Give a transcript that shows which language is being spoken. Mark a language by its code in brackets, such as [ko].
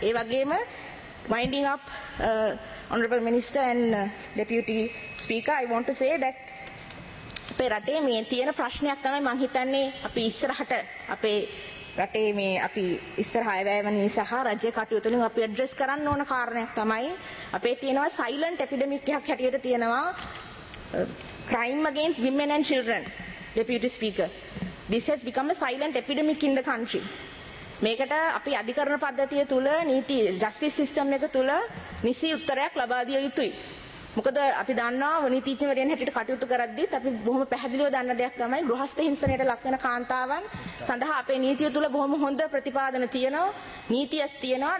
[si] ඒ වගේම [en] winding up honorable minister and deputy speaker, I want to say that [si] අපේ රටේ මේ තියෙන ප්‍රශ්නයක් තමයි මං හිතන්නේ අපි ඉස්සරහට අපේ රටේ මේ අපි ඉස්සරහ අයවැයවන් සහ රජයේ කටයුතු වලින් අපි ඇඩ්‍රස් කරන්න ඕන කාරණයක් තමයි අපේ තියෙනවා සයිලන්ට් එපිඩෙමික් එකක් හැටියට තියෙනවා [en] crime against women and children. deputy speaker, this has become a silent epidemic in the country. [si] මේකට අපි අධිකරණ පද්ධතිය තුළ නීති ජස්ටිස් සිස්ටම් එක තුළ නිසි උත්තරයක් ලබා දිය යුතුයි. මොකද අපි දන්නවා නීතිඥවරයන් හැටියට කටයුතු කරද්දී අපි බොහොම පැහැදිලිව දන්න දෙයක් තමයි ගෘහස්ත හිංසනයට ලක් වෙන කාන්තාවන් සඳහා අපේ නීතිය තුළ බොහොම හොඳ ප්‍රතිපාදන තියෙනවා. නීතියක් තියෙනවා.